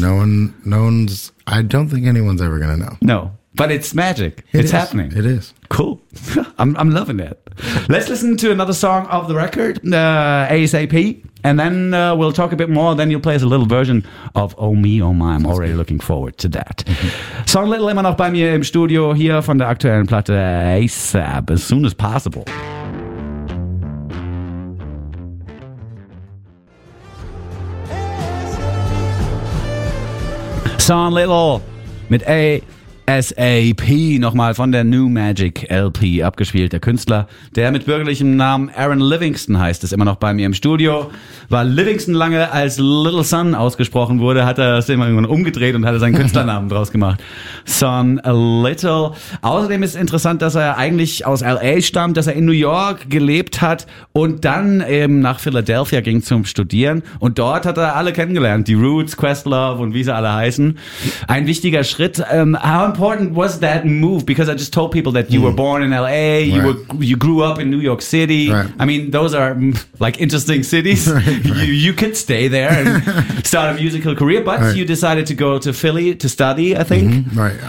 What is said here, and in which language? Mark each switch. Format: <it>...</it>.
<en>No one's I don't think anyone's ever gonna know. No, but it's magic. It's happening. It is cool. I'm loving it. Let's listen to another song of the record ASAP, and then we'll talk a bit more. Then you'll play us a little version of Oh Me Oh My. I'm already looking forward to that.</en> <de>Song Little immer noch bei mir im Studio hier von der aktuellen Platte ASAP, As Soon As Possible. Song Little mit ASAP, nochmal von der New Magic LP abgespielt, der Künstler, der mit bürgerlichem Namen Aaron Livingston heißt, ist immer noch bei mir im Studio. Weil Livingston lange als Little Son ausgesprochen wurde, hat er das immer irgendwann umgedreht und hat seinen Künstlernamen draus gemacht. Son a Little. Außerdem ist interessant, dass er eigentlich aus L.A. stammt, dass er in New York gelebt hat und dann eben nach Philadelphia ging zum Studieren. Und dort hat er alle kennengelernt, die Roots, Questlove und wie sie alle heißen. Ein wichtiger Schritt.</de> <en>How important was that move? Because I just told people that you were born in L.A., right. you grew up in New York City. Right. I mean, those are like interesting cities. Right. You could stay there and start a musical career, but right. you decided to go to Philly to study, I think. Mm-hmm. Right.</en>